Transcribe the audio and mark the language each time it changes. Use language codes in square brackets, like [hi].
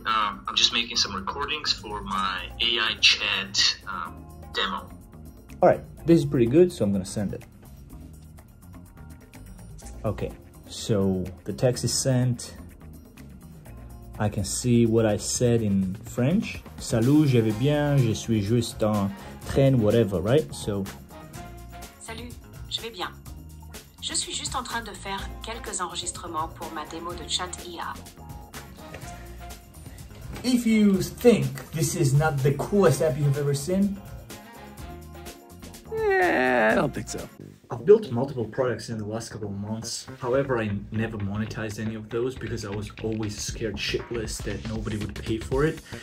[en] I'm just making some recordings for my AI chat demo. All right, this is pretty good, so I'm gonna send it. Okay, so the text is sent. I can see what I said in French. [fr] Salut, je vais bien, je suis juste en train, [en] whatever, right? So. [fr] Salut, je vais bien. Je suis juste en train de faire quelques enregistrements pour ma démo de chat IA. [en] If you think this is not the coolest app you've ever seen, I don't think so. I've built multiple products in the last couple of months. However, I never monetized any of those because I was always scared shitless that nobody would pay for it.